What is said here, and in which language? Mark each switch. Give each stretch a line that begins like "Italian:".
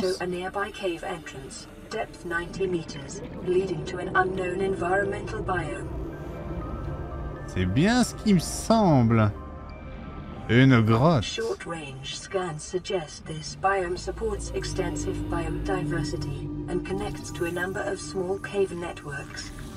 English: Show a nearby cave entrance, depth 90 meters, leading to an unknown environmental biome.
French: C'est bien ce qui me semble. Une grotte.
English: Short range scans suggest this biome supports extensive biodiversity and connects to a number of small cave networks.